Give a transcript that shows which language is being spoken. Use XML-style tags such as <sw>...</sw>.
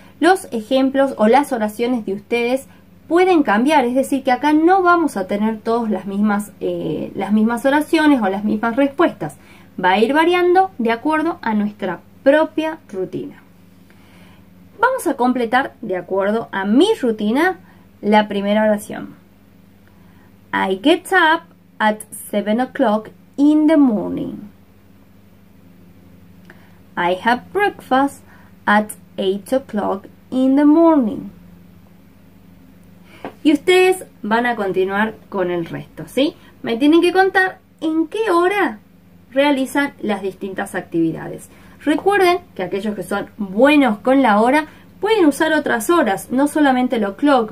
<es>Los ejemplos o las oraciones de ustedes pueden cambiar, es decir, que acá no vamos a tener todas las mismas oraciones o las mismas respuestas. va a ir variando de acuerdo a nuestra propia rutina. Vamos a completar de acuerdo a mi rutina la primera oración.</es> <en>I get up at 7 o'clock in the morning. I have breakfast at 8 o'clock in the morning.</en> <es>Y ustedes van a continuar con el resto, ¿sí? Me tienen que contar en qué hora realizan las distintas actividades. Recuerden que aquellos que son buenos con la hora pueden usar otras horas, no solamente el o'clock.</es>